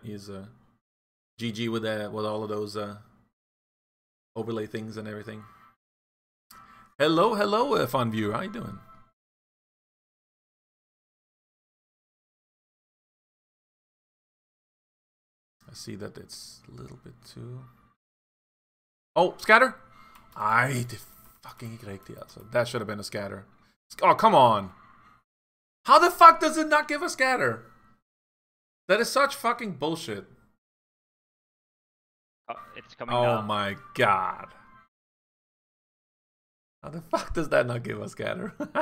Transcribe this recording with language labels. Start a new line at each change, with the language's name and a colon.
English: He's GG with all of those overlay things and everything. Hello, fun viewer. How you doing? I see that it's a little bit too... Oh, scatter!
Danish: Ej, det fucking ikke rigtigt, altså.
English: That should have been a scatter. Oh, come on! How the fuck does it not give a scatter? That is such fucking bullshit. It's coming down. Oh my god. How the fuck does that not give a scatter?